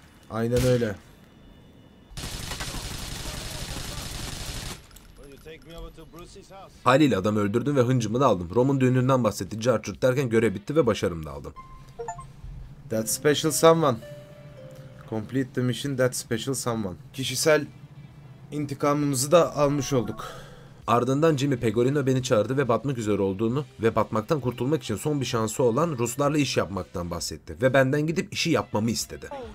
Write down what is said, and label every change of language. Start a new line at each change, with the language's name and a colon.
Turkish: Aynen öyle. Haliyle adam öldürdüm ve hıncımı da aldım. Rom'un düğününden bahsetti. Carchurt derken görev bitti ve başarım da aldım.
English: That special someone. Complete the mission, that special someone.
Turkish: Kişisel intikamımızı da almış olduk. Ardından Jimmy Pegorino beni çağırdı ve batmak üzere olduğunu ve batmaktan kurtulmak için son bir şansı olan Ruslarla iş yapmaktan bahsetti. Ve benden gidip işi yapmamı istedi.